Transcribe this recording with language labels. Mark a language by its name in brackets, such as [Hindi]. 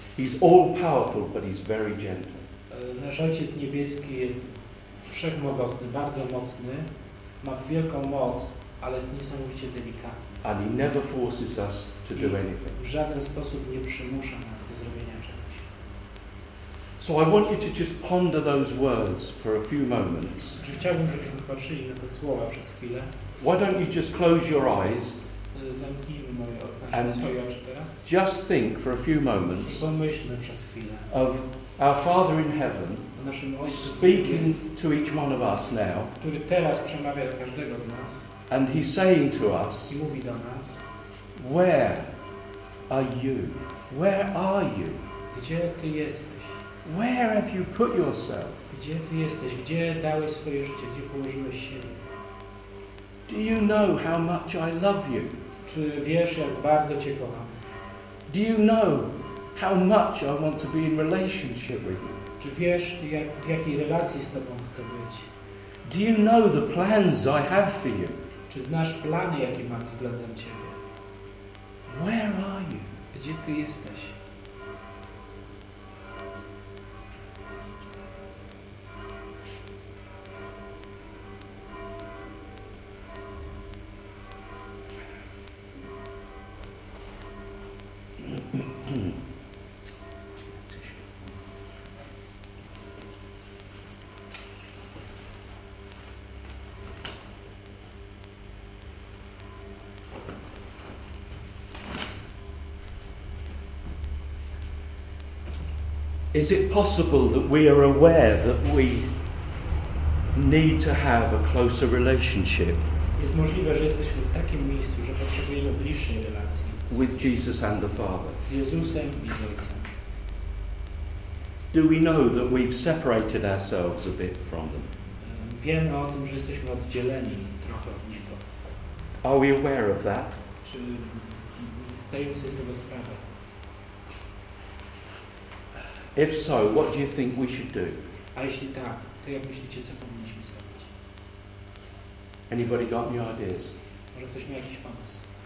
[English] He's all powerful, but He's very gentle. [Polish] Nasz Ojciec Niebieski jest wszechmogący, bardzo mocny, ma wielką moc, ale jest niesamowicie delikatny. [English] And He never forces us to do anything. [Polish] W żaden sposób nie przymusza nas. [English] So I want you to just ponder those words for a few moments. [Polish] Chciałbym, żebyśmy patrzyli na te słowa przez chwilę. [English] Why don't you just close your eyes? [Polish] Zamknijmy moje oczy, and swoje oczy teraz. [English] Just think for a few moments. [Polish] Pomyślmy przez chwilę. [English] Of our Father in heaven, [Polish] naszym Ojcu, [English] speaking to each one of us now, [Polish] który teraz przemawia do każdego z nas. [English] And He's saying to us, [Polish] i mówi do nas, [English] where are you? Where are you? [Polish] Gdzie ty jesteś? [English] Where have you put yourself? [Polish] Gdzie ty jesteś? Gdzie dałeś swoje życie? Gdzie położyłeś siebie? [English] Do you know how much I love you? [Polish] Czy wiesz, jak bardzo cię kocham? [English] Do you know how much I want to be in relationship with you? [Polish] Czy wiesz, jak, w jakiej relacji z tobą chcę być? [English] Do you know the plans I have for you? [Polish] Czy znasz plany, jakie mam względem ciebie? [English] Where are you? [Polish] Gdzie ty jesteś? [English] Is it possible that we are aware that we need to have a closer relationship. [Polish] Jest możliwe, że jesteśmy w takim miejscu, że potrzebujemy bliższej relacji [English] with Jesus and the Father. [Polish] Z Jezusem i z Ojcem. [English] Do we know that we've separated ourselves a bit from them? [Polish] Wiemy o tym, że jesteśmy oddzieleni trochę od Niego. [English] Are we aware of that? [Polish] Czy zdajemy sobie z tego sprawę? [English] If so, what do you think we should do? [Polish] A jeśli tak, to jak myślicie, co powinniśmy zrobić? [English] Anybody got any ideas? [Polish] Może ktoś miał jakiś pomysł?